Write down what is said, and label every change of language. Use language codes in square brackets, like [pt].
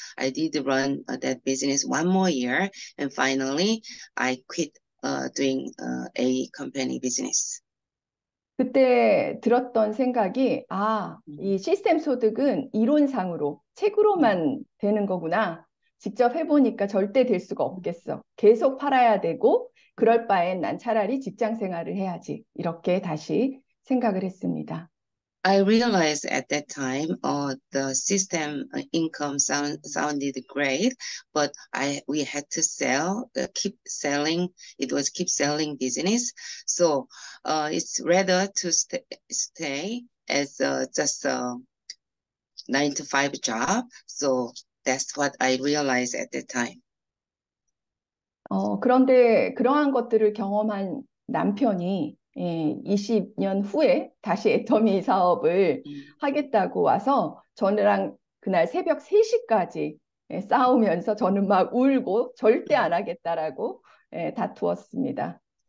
[en] I did run that business 1 more year and finally I quit doing a company business. [ko] 그때 들었던 생각이, 아, 이 시스템 소득은 이론상으로, 책으로만 되는 거구나. 직접 해보니까 절대 될 수가 없겠어. 계속 팔아야 되고, 그럴 바엔 난 차라리 직장 생활을 해야지. 이렇게 다시 생각을 했습니다. [en] I realized at that time, the system income sounded great, but we had to keep selling. It was keep selling business. So, it's rather to stay as just a 9-to-5 job. So that's what I realized at that time. [ko] 그런데 그러한 것들을 경험한 남편이 20년 후에 다시 애터미 사업을 하겠다고 와서 저랑 그날 새벽 3시까지 싸우면서 저는 막 울고 절대 안 하겠다라고 다투었습니다.